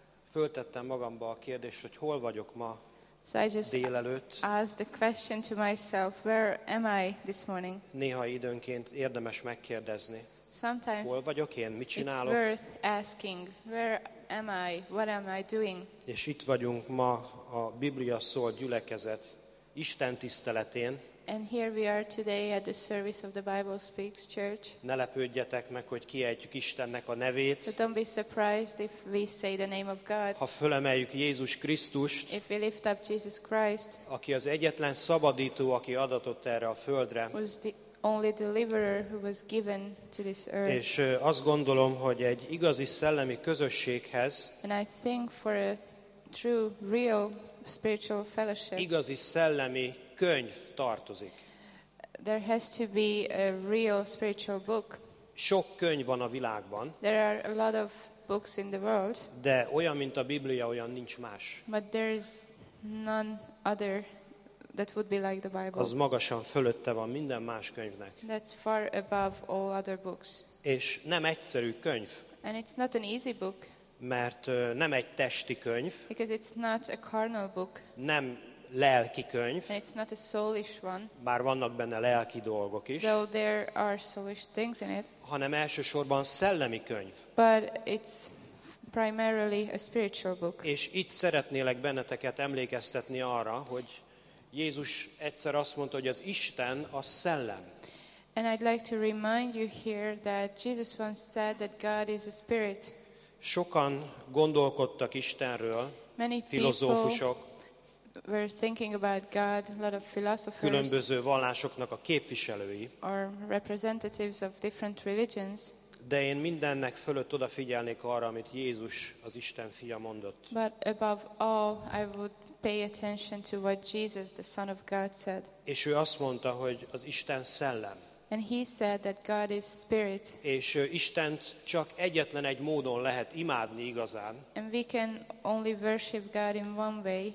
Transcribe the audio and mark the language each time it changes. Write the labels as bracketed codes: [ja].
[hu] Föltettem magamba a kérdést, hogy hol vagyok ma délelőtt. [en] Asked the question to myself, where am I this morning? [hu] Néha időnként érdemes megkérdezni. [en] Sometimes [hu] hol vagyok én, mit csinálok? [en] It's worth asking, where am I, what am I doing? [hu] És itt vagyunk ma a Biblia szól gyülekezet Isten tiszteletén. [en] And here we are today at the service of the Bible Speaks Church. [hu] Ne lepődjetek meg, hogy kiejtjük Istennek a nevét. [en] So don't be surprised if we say the name of God. [hu] Ha fölemeljük Jézus Krisztust. [en] If we lift up Jesus Christ. [hu] Aki az egyetlen szabadító, aki adatott erre a földre. [en] Who's the only deliverer who was given to this earth. [hu] És azt gondolom, hogy egy igazi szellemi közösséghez. [en] And I think for a true, real spiritual fellowship. [hu] Igazi szellemi könyv tartozik. [en] There has to be a real spiritual book. [hu] Sok könyv van a világban. [en] There are a lot of books in the world. [hu] De olyan, mint a Biblia, olyan nincs más. [en] But there is none other that would be like the Bible. [hu] Az magasan fölötte van minden más könyvnek. [en] That's far above all other books. [hu] És nem egyszerű könyv. [en] And it's not an easy book. [hu] Mert nem egy testi könyv. [en] Because it's not a carnal book. [hu] Nem lelki könyv. [en] And it's not a soulish one. [hu] Bár vannak benne lelki dolgok is. [en] Though there are soulish things in it. [hu] Hanem elsősorban szellemi könyv. [en] But it's primarily a spiritual book. [hu] És itt szeretnélek benneteket emlékeztetni arra, hogy Jézus egyszer azt mondta, hogy az Isten a szellem. [en] And I'd like to remind you here that Jesus once said that God is a spirit. [hu] Sokan gondolkodtak Istenről, [en] many [hu] filozófusok. [en] We're thinking about God, a lot of philosophers. [hu] Különböző vallásoknak a képviselői. [en] Are representatives of different religions. [hu] De én mindennek fölött odafigyelnék arra, amit Jézus, az Isten fia mondott. [en] But above all, I would pay attention to what Jesus, the Son of God, said. [hu] És ő azt mondta, hogy az Isten szellem. [en] And he said that God is spirit. [hu] És Istent csak egyetlen egy módon lehet imádni igazán. [en] And we can only worship God in one way.